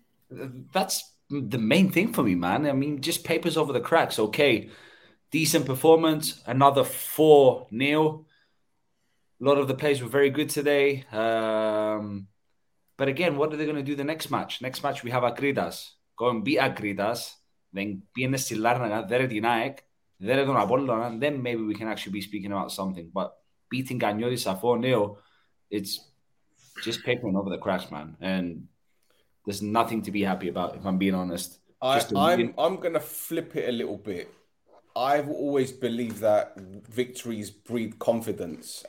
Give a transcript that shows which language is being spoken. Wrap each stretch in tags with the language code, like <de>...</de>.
<en>That's the main thing for me, man. I mean, just papers over the cracks. Okay, decent performance, another 4-0. A lot of the players were very good today. But again, what are they going to do the next match? Next match, we have Akridas. Go and beat Akridas.</en> <el>Then viene στη Λάρνακα, δέρε την ΑΕΚ, δέρε τον Απόλλωνα.</el> <en>Then maybe we can actually be speaking about something. But beating Karmiotissa 4-0, it's... just papering over the cracks, man. And there's nothing to be happy about, if I'm being honest. I'm going to flip it a little bit. I've always believed that victories breed confidence.</en>